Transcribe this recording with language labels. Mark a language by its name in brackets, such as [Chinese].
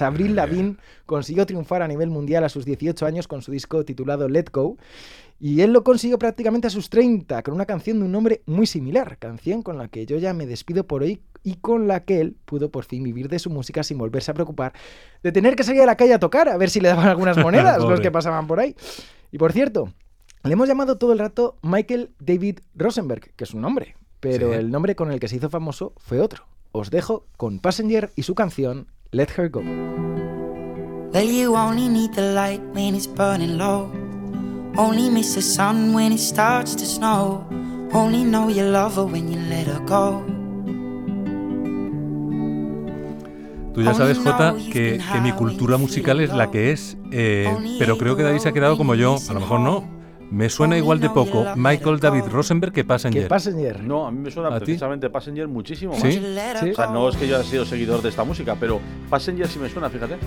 [Spanish] Avril Lavigne consiguió triunfar a nivel mundial a sus 18 años con su disco titulado Let Go, y él lo consiguió prácticamente a sus 30 con una canción de un nombre muy similar, canción con la que yo ya me despido por hoy y con la que él pudo por fin vivir de su música sin volverse a preocupar de tener que salir a la calle a tocar a ver si le daban algunas monedas los que pasaban por ahí. Y por cierto, le hemos llamado todo el rato Michael David Rosenberg, que es un nombre, pero sí, el nombre con el que se hizo famoso fue otro. Os dejo con Passenger y su canción Let Her Go. [English] Well, you only need the light when it's burning low. Only miss the sun when it starts to snow. Only know you love her when you let her go. [Spanish] Tú ya sabes, Jota, que mi cultura musical es la que es. Pero creo que David se ha quedado como yo. A lo mejor no. Me suena igual de poco Michael David Rosenberg que Passenger. ¿Qué Passenger? No, a mí me suena precisamente Passenger muchísimo más. ¿Sí? ¿Sí? O sea, no es que yo haya sido seguidor de esta música, pero Passenger sí me suena, fíjate.